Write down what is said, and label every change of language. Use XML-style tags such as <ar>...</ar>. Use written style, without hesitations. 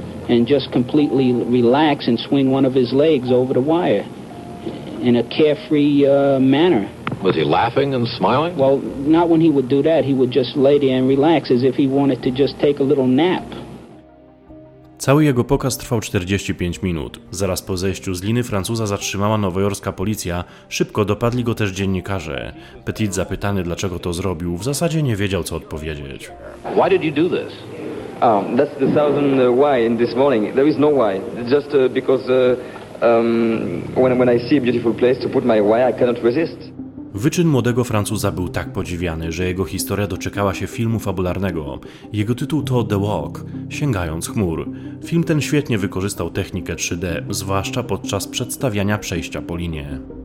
<en>And just completely relax and swing one of his legs over the wire in a carefree manner. Was he laughing and smiling? Well, not when he would do that. He would just lay there and relax as if he wanted to just take a little nap.</en> <pl>Cały jego pokaz trwał 45 minut. Zaraz po zejściu z liny Francuza zatrzymała nowojorska policja, szybko dopadli go też dziennikarze. Petit, zapytany, dlaczego to zrobił, w zasadzie nie wiedział, co odpowiedzieć.</pl> <en>Why did you do this? That's the thousand why in this morning. There is no why. Just because when I see a beautiful place to put my why, I cannot resist.</en> <pl>Wyczyn młodego Francuza był tak podziwiany, że jego historia doczekała się filmu fabularnego. Jego tytuł to The Walk, Sięgając Chmur. Film ten świetnie wykorzystał technikę 3D, zwłaszcza podczas przedstawiania przejścia po linie.</pl>